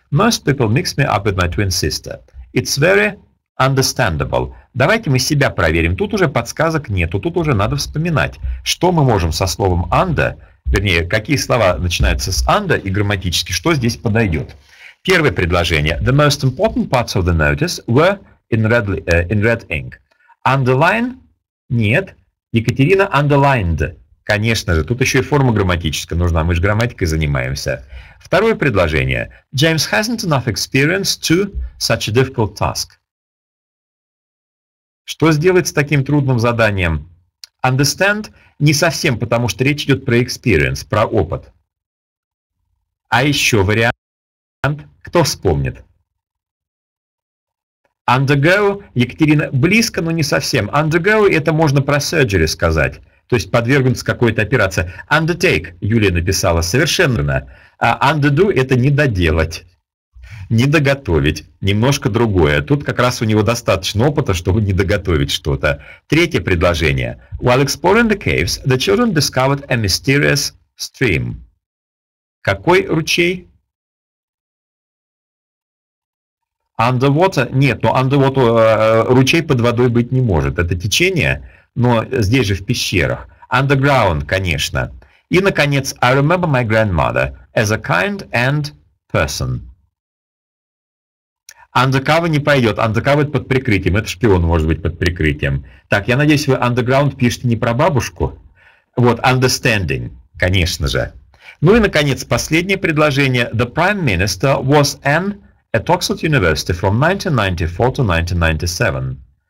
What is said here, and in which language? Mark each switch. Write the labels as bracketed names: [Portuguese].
[English] Most people mix me up with my twin sister. It's very understandable. [Russian] Давайте мы себя проверим. Тут уже подсказок нету, тут уже надо вспоминать, что мы можем со словом under, вернее, какие слова начинаются с under и грамматически, что здесь подойдет. Первое предложение. [English] The most important parts of the notice were in red ink. [Russian] Underline? Нет. Екатерина underlined. Конечно же, тут еще и форма грамматическая нужна, мы же грамматикой занимаемся. Второе предложение. [English] James hasn't enough experience to such a difficult task. [Russian] Что сделать с таким трудным заданием? Understand? Не совсем, потому что речь идет про experience, про опыт. А еще вариант. Кто вспомнит? Undergo? Екатерина, близко, но не совсем. Undergo – это можно про surgery сказать. То есть подвергнуться какой-то операции. Undertake, Юлия написала, совершенно. А undo – это не доделать, не доготовить. Немножко другое. Тут как раз у него достаточно опыта, чтобы не доготовить что-то. Третье предложение. [English] While exploring the caves, the children discovered a mysterious stream. [Russian] Какой ручей? Underwater? Нет, но underwater ручей под водой быть не может. Это течение. Но здесь же в пещерах. Underground, конечно. И, наконец, [English] I remember my grandmother as a kind and person. [Russian] Undercover не пойдет. Undercover под прикрытием. Это шпион может быть под прикрытием. Так, я надеюсь, вы underground пишете не про бабушку. Вот, understanding, конечно же. Ну и, наконец, последнее предложение. [English] The prime minister was an at Oxford University from 1994 to 1997.